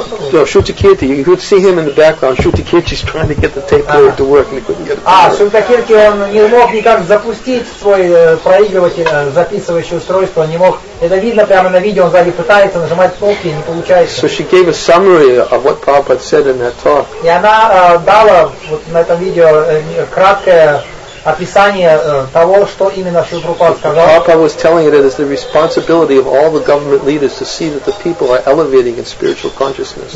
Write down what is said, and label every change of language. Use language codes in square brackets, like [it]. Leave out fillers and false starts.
[en] No, Shruti Kirti, you could see him in the background. Shruti Kirti is trying to get the tape player to work, and he couldn't get it. [ru] Shruti Kirti, он не мог никак запустить свой проигрыватель, записывающее устройство, он не мог. Это видно прямо на видео. Он сзади пытается нажимать кнопки, не получается. [en] So she gave a summary of what Prabhupada said in that talk. [ru] И она дала вот на этом видео краткое описание того, что именно Шрила Прабхупада сказал. [en] Prabhupada was telling it as the responsibility of all the government leaders to see that the people are elevating in spiritual consciousness.